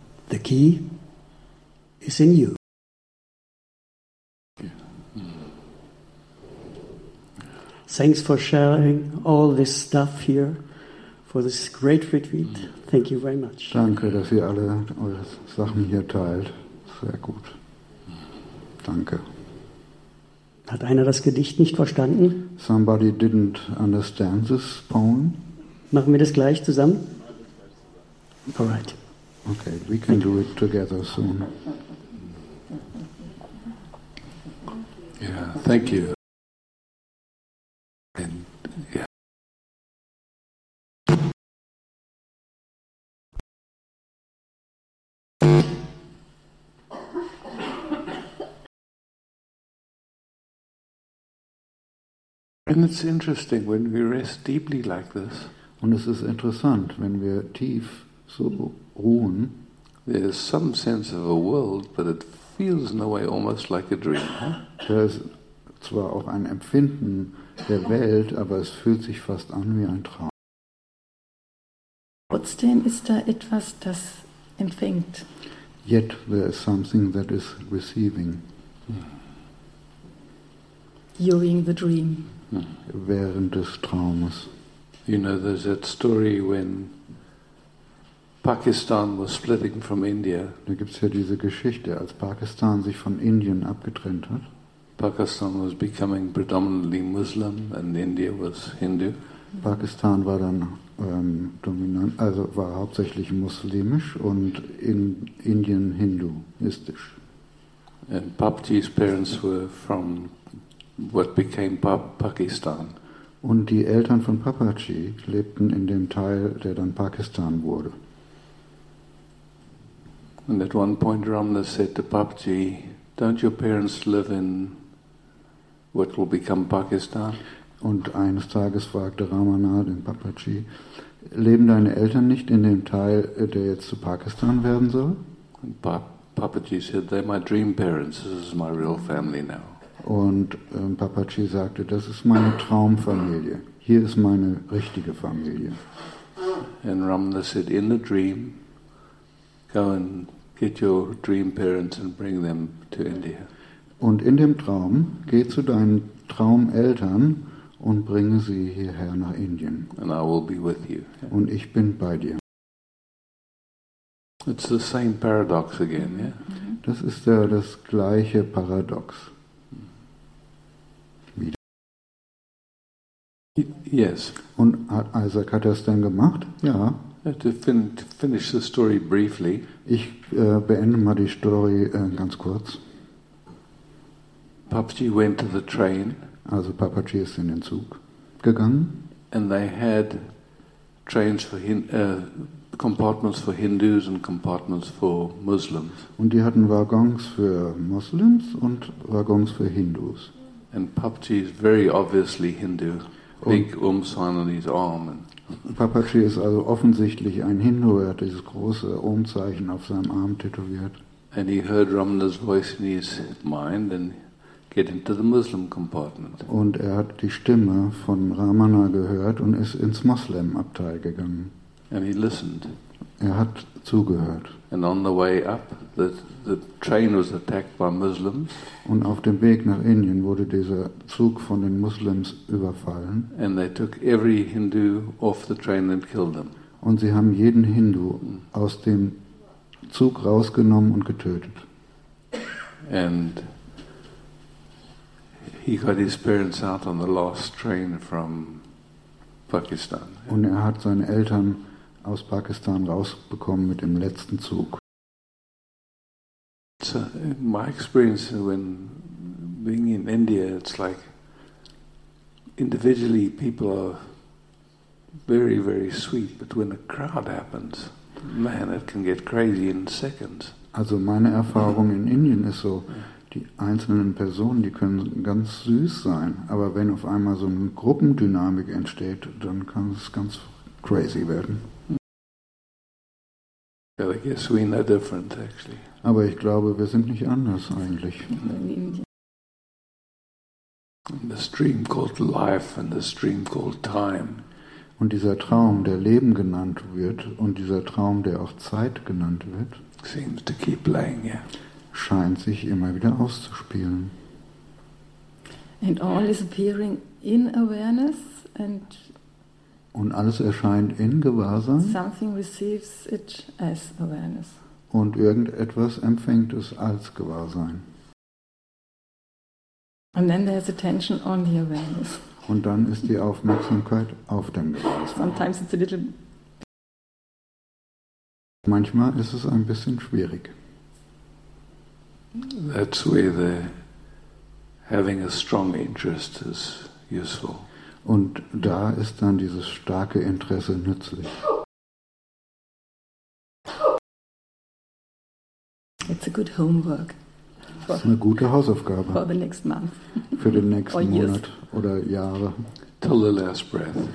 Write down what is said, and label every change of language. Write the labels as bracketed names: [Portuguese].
[English] The key is in you. Thanks for sharing all this stuff here for this great retreat. Thank you very much. [German] Danke, dass ihr alle eure Sachen hier teilt. Sehr gut. Danke. Hat einer das Gedicht nicht verstanden? [English] Somebody didn't understand this poem. [German] Machen wir das gleich zusammen? [English] All right. Okay, we can Thank do it together soon. Yeah, thank you. And it's interesting when we rest deeply like this. [German] Und es ist interessant, wenn wir tief so ruhen. [English] There's some sense of a world, but it feels in a way almost like a dream. [German] Da ist zwar auch ein Empfinden der Welt, aber es fühlt sich fast an wie ein Traum. Trotzdem ist da etwas, das empfängt. [English] Yet there is something that is receiving. During the dream. [German] Während des Traumes. [English] You know, there's that story when Pakistan was splitting from India. [German] Da gibt's ja diese Geschichte, als Pakistan sich von Indien abgetrennt hat. [English] Pakistan was becoming predominantly Muslim and India was Hindu. [German] Pakistan war dann dominant, also war hauptsächlich muslimisch und in Indien hinduistisch. [English] And Papji's parents were from what became Pakistan. [German] Und die Eltern von Papaji lebten in dem Teil, der dann Pakistan wurde. [English] And at one point Ramana said to Papaji, don't your parents live in what will become Pakistan? [German] Und eines Tages fragte Ramana den Papaji, leben deine Eltern nicht in dem Teil, der jetzt zu Pakistan werden soll? [English] And Papaji said, they're my dream parents, this is my real family now. [German] Und Papaji sagte, das ist meine Traumfamilie. Hier ist meine richtige Familie. [English] And Ramana said, in the dream, go and get your dream parents and bring them to India. [German] Und in dem Traum, geh zu deinen Traumeltern und bringe sie hierher nach Indien. [English] And I will be with you. [German] Und ich bin bei dir. [English] It's the same paradox again, yeah? [German] Das ist ja das gleiche Paradox. [English] Yes. [German] Und hat Isaac hat das dann gemacht? Ja. [English] To finish the story briefly. [German] Ich beende mal die Story ganz kurz. [English] Papaji went to the train. [German] Also Papaji ist in den Zug gegangen. [English] And they had trains for compartments for Hindus and compartments for Muslims. [German] Und die hatten Waggons für Muslims und Waggons für Hindus. [English] And Papaji is very obviously Hindu. Big Umsan on his arm. [German] Papaji ist also offensichtlich ein Hindu, er hat dieses große Umzeichen auf seinem Arm tätowiert. [English] And he heard Ramana's voice in his mind and get into the Muslim compartment. [German] Und er hat die Stimme von Ramana gehört und ist ins Muslim-Abteil gegangen. [English] And he listened. [German] Er hat zugehört. [English] And on the way up, the train was attacked by Muslims. [German] Und auf dem Weg nach Indien wurde dieser Zug von den Muslims überfallen. [English] And they took every Hindu off the train and killed them. [German] Und sie haben jeden Hindu aus dem Zug rausgenommen und getötet. [English] And he got his parents out on the last train from Pakistan. [German] Und er hat seine Eltern aus Pakistan rausbekommen mit dem letzten Zug. [English] So in my experience when being in India, it's like individually people are very, very sweet, but when a crowd happens, man, it can get crazy in seconds. [German] Also meine Erfahrung in Indien ist so, die einzelnen Personen, die können ganz süß sein, aber wenn auf einmal so eine Gruppendynamik entsteht, dann kann es ganz crazy werden. [English] Well, I guess we're no different, actually. [German] Aber ich glaube, wir sind nicht anders eigentlich. [English] The stream called life and the stream called time. [German] Und dieser Traum, der Leben genannt wird, und dieser Traum, der auch Zeit genannt wird, [English] seems to keep playing, yeah. [German] Scheint sich immer wieder auszuspielen. [English] And all is appearing in awareness and [German] und alles erscheint in Gewahrsein. [English] Something receives it as awareness. [German] Und irgendetwas empfängt es als Gewahrsein. [English] And then there's attention on the awareness. [German] Und dann ist die Aufmerksamkeit auf dem Gewahrsein. [English] Sometimes it's a little. [German] Manchmal ist es ein bisschen schwierig. [English] That's where the having a strong interest is useful. [German] Und da ist dann dieses starke Interesse nützlich. [English] It's a good homework. [German] Das ist eine gute Hausaufgabe. [English] For the next month. [German] Für den nächsten Monat oder Jahre. [English] Till the last breath.